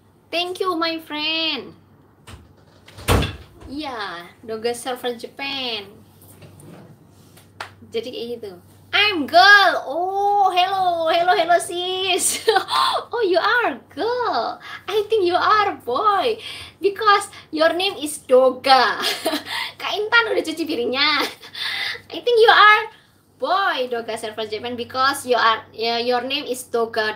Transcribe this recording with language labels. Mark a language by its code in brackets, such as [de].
[en] Thank you my friend. Iya, yeah, Doga server Japan. [id] Jadi kayak gitu. [en] I'm girl. Oh, hello, hello, hello, sis. Oh, you are girl. I think you are boy, because your name is Doga. [id] Kak Intan udah cuci piringnya. [en] I think you are boy, Doga Server Japan, because you are your name is Doga.